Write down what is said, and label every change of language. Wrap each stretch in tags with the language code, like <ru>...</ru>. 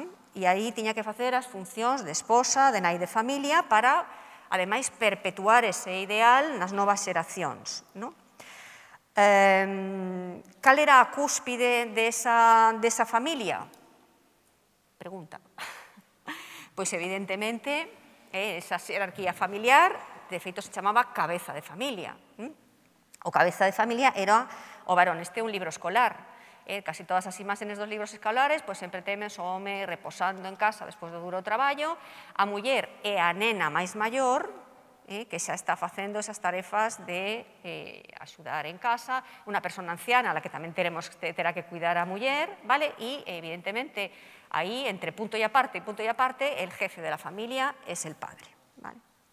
<gl>E aí tiña que facer as funcións de esposa, de nai de familia, para, ademais, perpetuar ese ideal nas novas xeracións, ¿no? ¿Cal era a cúspide de esa familia? Pregunta. Pois evidentemente, esa xerarquía familiar de feito se chamaba Cabeza de Familia. O Cabeza de Familia era o varón, este un libro escolar. Casi todas as imaxes dos libros escolares pues, sempre temes o home reposando en casa despois do duro traballo, a muller e a nena máis maior, que xa está facendo esas tarefas de axudar en casa, unha persona anciana a la que tamén teremos terá que cuidar a muller, vale? E evidentemente aí entre punto e aparte,</gl> <es>el jefe de la familia es el padre,</es> <gl>vale?</gl>